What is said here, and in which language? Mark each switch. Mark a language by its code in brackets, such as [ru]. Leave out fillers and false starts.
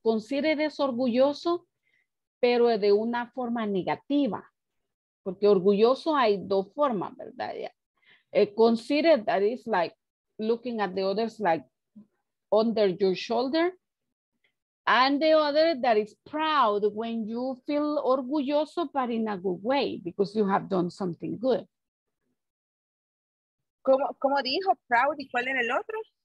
[es] Conceited es orgulloso, pero de una forma negativa. Porque orgulloso hay dos formas, ¿verdad? Yeah. [en] Conceited, that is like looking at the others like under your shoulder. And the other that is proud, when you feel orgulloso, but in a good way, because you have done something good. [es] ¿Cómo dijo proud y cuál era el otro?